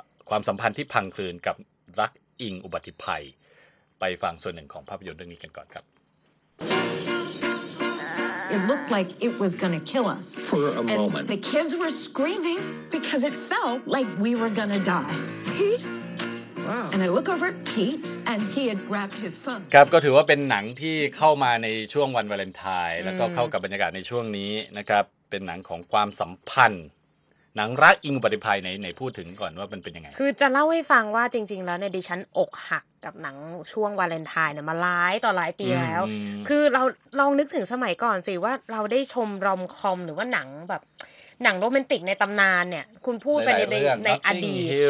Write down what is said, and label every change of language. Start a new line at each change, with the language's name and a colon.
Thai: ความสัมพันธ์ที่พังคลืนกับรักอิงอุบัติภัยไปฟังส่วนหนึ่งของภาพยนตร์เรื่องนี้กันก่อนครับ
English: It looked like it was gonna kill us. For a and moment. The kids were screaming because it felt like we were gonna die. Pete? Wow. And I look over at Pete, and he had grabbed his phone.
Thai: ครับก็ถือว่าเป็นหนังที่เข้ามาในช่วงวันวาเลนไทน์แล้วก็เข้ากับบรรยากาศในช่วงนี้นะครับเป็นหนังของความสัมพันธ์หนังรักอิงอุบัติภัยในพูดถึงก่อนว่ามันเป็นยังไง คือจะเล่าให้ฟังว่าจริงๆแล้วในดิฉันอกหักกับหนังช่วงวาเลนไทน์เนี่ยมาหลายต่อหลายปีแล้วคือเราลองนึกถึงสมัยก่อนสิว่าเราได้ชมรอมคอมหรือว่าหนังแบบหนังโรแมนติกในตำนานเนี่ยคุณพูดไปในอดีต